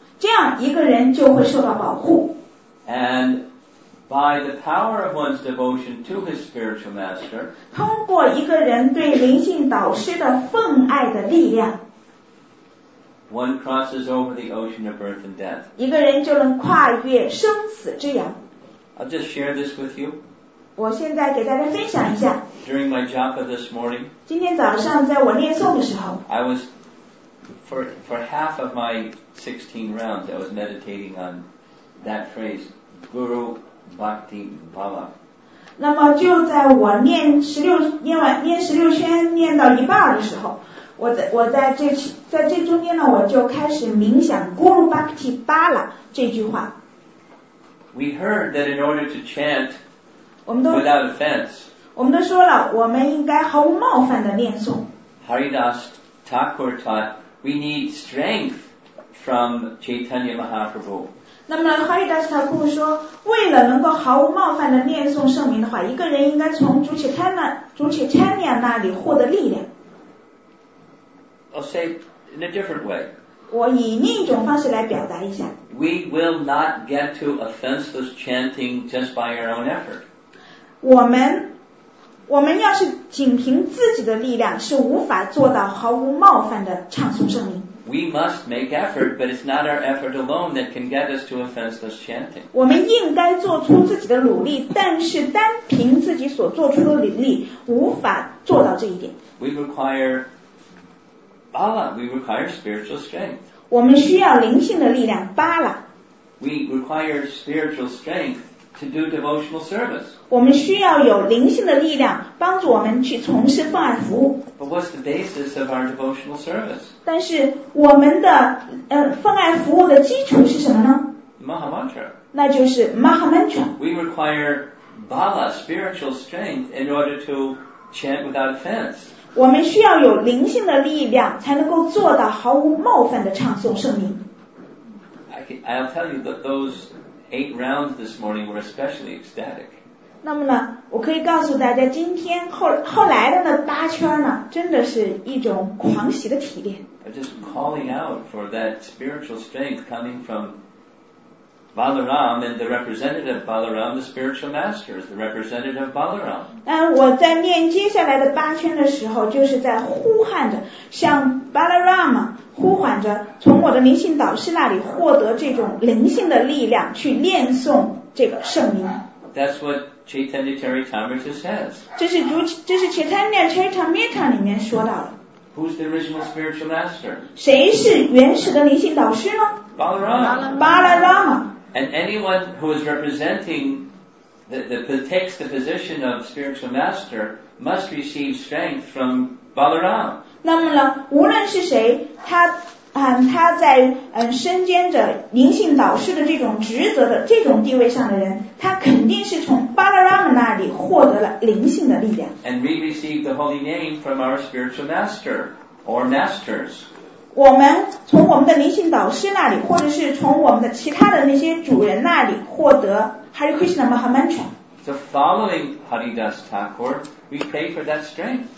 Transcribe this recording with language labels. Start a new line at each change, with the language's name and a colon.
Chinese: 这样一个人就会受到保护。
English: And by the power of one's devotion to his spiritual master,
Chinese: 通过一个人对灵性导师的奉爱的力量，
English: one crosses over the ocean of birth and death.
Chinese: 一个人就能跨越生死之洋。
English: I'll just share this with you.
Chinese: 我现在给大家分享一下。
English: During my japa this morning,
Chinese: 今天早上在我念诵的时候
English: I was for half of my 16 rounds, I was meditating on that phrase, Guru Bhakti Bhava.
Chinese: 那么就在我念16圈念到一半的时候我在这中间呢我就开始冥想 Guru Bhakti Bhava 这句话。
English: We heard that in order to chant without offense,
Chinese: 我们都说了我们应该毫无冒犯的念诵。
English: Haridas Thakur taught, we need strength from Chaitanya Mahaprabhu.
Chinese: 那么 Haridas Thakur 说为了能够毫无冒犯的念诵圣名的话一个人应该从主Chaitanya那里获得力量。
English: I'll say in a different way.
Chinese: 我以另一种方式来表达一下。
English: We will not get to offenseless chanting just by our own effort.
Chinese: 我们要是仅凭自己的力量是无法做到毫无冒犯的唱诵圣名。
English: We must make effort, but it's not our effort alone that can get us to offenseless chanting.
Chinese: 我们应该做出自己的努力但是单凭自己所做出的努力无法做到这一点。
English: We require Bala, we require spiritual strength.
Chinese: 我们需要灵性的力量 Bala.
English: We require spiritual strength to do devotional service.
Chinese: 我们需要有灵性的力量帮助我们去从事奉爱服务。
English: But what's the basis of our devotional service?
Chinese: 但是我们的奉爱服务的基础是什么呢
English: Mahamantra.
Chinese: 那就是 Mahamantra.
English: We require Bala, spiritual strength, in order to chant without offense.
Chinese: 我们需要有灵性的力量才能够做到毫无冒犯的唱诵圣名。
English: I'll tell you that those 8 rounds this morning were especially ecstatic.
Chinese: 那么呢我可以告诉大家今天 后来的那八圈呢真的是一种狂喜的体验。
English: I'm just calling out for that spiritual strength coming from Balaram and the representative of Balaram, the spiritual master, is the representative of Balaram.
Chinese: 我在念接下来的八圈的时候，就是在呼喊着，向 Balaram 呼喊着，从我的灵性导师那里获得这种灵性的力量，去念诵这个圣名。
English: That's what Chaitanya Charitamrita says.
Chinese: 这是 Chaitanya Charitamrita 里面说到的。
English: Who's the original spiritual master?
Chinese: 谁是原始的灵性导师呢？
English: Balaram.
Chinese: Balaram.
English: And anyone who is representing, takes the position of spiritual master, must receive strength from Balaram.
Chinese: 那么呢，无论是谁，他在身兼着灵性导师的这种职责的这种地位上的人，他肯定是从 Balaram 那里获得了灵性的力量。
English: And we receive the holy name from our spiritual master or masters.
Chinese: 我们从我们的灵性导师那里或者是从我们的其他的那些主人那里获得 Hare Krishna Mahamantra
English: So following Haridas Thakur we pray for that strength